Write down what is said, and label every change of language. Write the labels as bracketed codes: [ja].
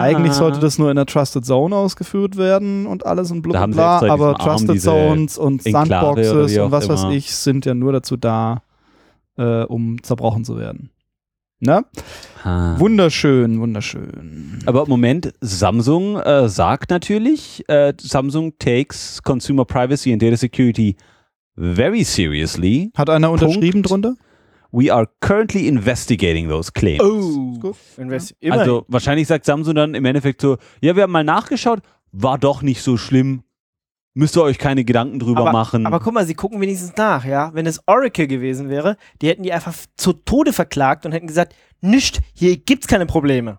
[de] Eigentlich sollte das nur in der Trusted Zone ausgeführt werden und alles und blub, bla, aber Trusted Zones und Sandboxes und was weiß ich sind ja nur dazu da, um zerbrochen zu werden. Na? Wunderschön, wunderschön. Aber Moment, Samsung sagt natürlich, [en] Samsung takes consumer privacy and data security very seriously. [de] Hat einer unterschrieben drunter? [en] We are currently investigating those claims. [de] Oh, gut. Also wahrscheinlich sagt Samsung dann im Endeffekt so, ja, wir haben mal nachgeschaut, war doch nicht so schlimm. Müsst ihr euch keine Gedanken drüber machen. Aber guck mal, sie gucken wenigstens nach, ja. Wenn es Oracle gewesen wäre, die hätten die einfach zu Tode verklagt und hätten gesagt, nicht, hier gibt's keine Probleme.